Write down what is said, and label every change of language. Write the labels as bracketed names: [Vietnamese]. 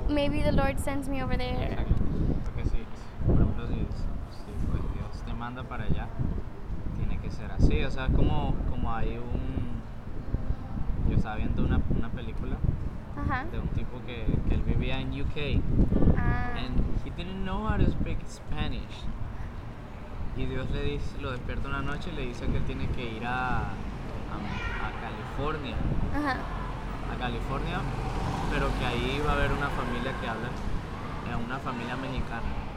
[English] Maybe the Lord sends me over there. [Spanish] Exacto. Porque sí, por ejemplo, si pues Dios te manda para allá, tiene que ser así. O sea, como hay un... Yo estaba viendo una película. Uh-huh. De un tipo que él vivía en UK. [English] And he didn't know how to speak Spanish. [Spanish] Y Dios le dice, lo despierta una noche y le dice que él tiene que ir a California. Uh-huh. A California, pero que ahí va a haber una familia que habla, una familia mexicana.